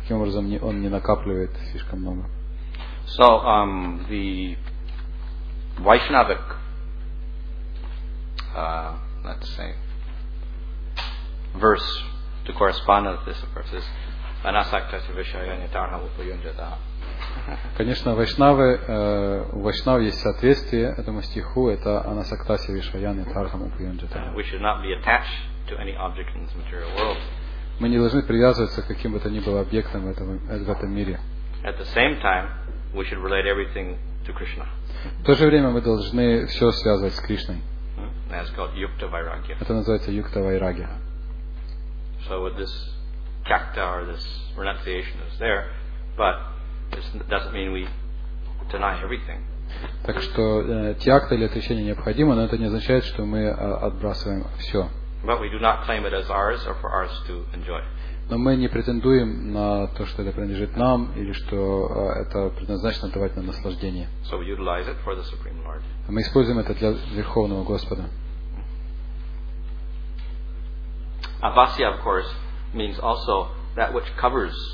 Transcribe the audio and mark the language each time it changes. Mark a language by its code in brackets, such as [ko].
[ru] Таким образом, он не накапливает слишком много. [en] So the Vaishnavic, let's say, verse to correspond with this verse is Anasakta Vishaya Nitarha Upayunjata. [ru] Конечно, вайшнавы, у вайшнав есть соответствие этому стиху, это Анасактаси Вишваяны Тархам Упьянджата. [en] We should not be attached to any object in this material world. [ru] Мы не должны привязываться к каким бы то ни было объектам в этом мире. [en] At the same time, we should relate everything to Krishna. [ru] В то же время мы должны все связывать с Кришной. [en] That's called Yukta Vairagya. [ru] Это называется Yukta Vairagya. [en] So with this chakta or this renunciation is there, but this doesn't mean we deny everything. [ru] Так что тьякта или отречение необходимо, но это не означает, что мы отбрасываем все. [en] But we do not claim it as ours or for ours to enjoy. [ru] Но мы не претендуем на то, что это принадлежит нам или что это предназначено давать нам наслаждение. [en] So we utilize it for the Supreme Lord. [ru] Мы используем это для Верховного Господа. [en] Avasya, of course, means also that which covers.